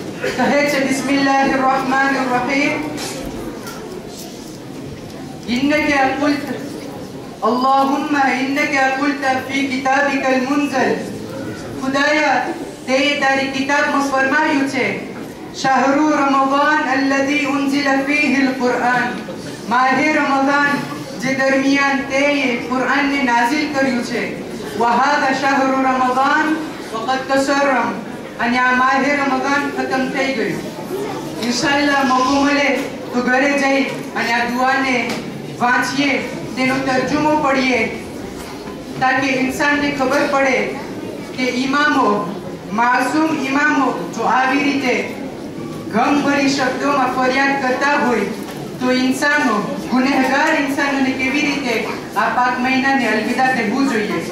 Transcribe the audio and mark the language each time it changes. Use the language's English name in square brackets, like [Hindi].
[Gujarati] કહે છે, [Arabic] બિસ્મિલ્લાહિર રહમાનિર રહીમ, ઇન્નકે કુલ્ત اللهم انك قلت في كتابك المنزل. [Gujarati] خدایا તે તારી કિતાબમાં ફરમાયું છે, [Arabic] شهر رمضان الذي انزل فيه القران, [Gujarati] ماه رمضان જે દરમિયાન તે કુરાન ને નાઝિલ કર્યું છે. [Arabic] وهذا شهر رمضان وقد تسرم, [Gujarati] અને આ ماه رمضان ختم થઈ ગયો. ઇન્શાઅલ્લાહ મોકો મળે તો ઘરે જઈ અને આ દુઆને વાંચીએ, તેનો તર્જુમો પડીએ, તાકે ઇન્સાનને ખબર પડે કે ઇમામો, માસૂમ ઇમામો જો આવી રીતે ગમભરી શબ્દોમાં ફરિયાદ કરતા હોય તો ઇન્સાનો, ગુનેહગાર ઇન્સાનોને કેવી રીતે આ પાક મહિનાને અલવિદા કહેવું જોઈએ.